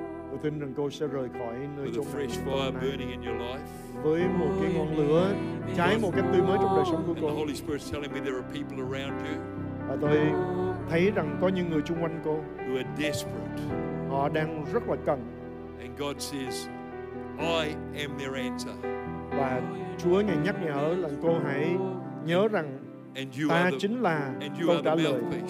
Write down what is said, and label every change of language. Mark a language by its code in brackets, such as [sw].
[vi] Tôi tin rằng cô sẽ rời khỏi nơi chốn này hôm nay với một cái ngọn lửa cháy một cách tươi mới trong đời sống của cô. [en] And the Holy Spirit's telling me there are people around you. [vi] Và tôi thấy rằng có những người chung quanh cô. [en] Who are desperate. [vi] Họ đang rất là cần. [en] And God says, I am their answer. [vi] Và Chúa ngài nhắc nhở là cô hãy nhớ rằng ta chính là câu trả lời.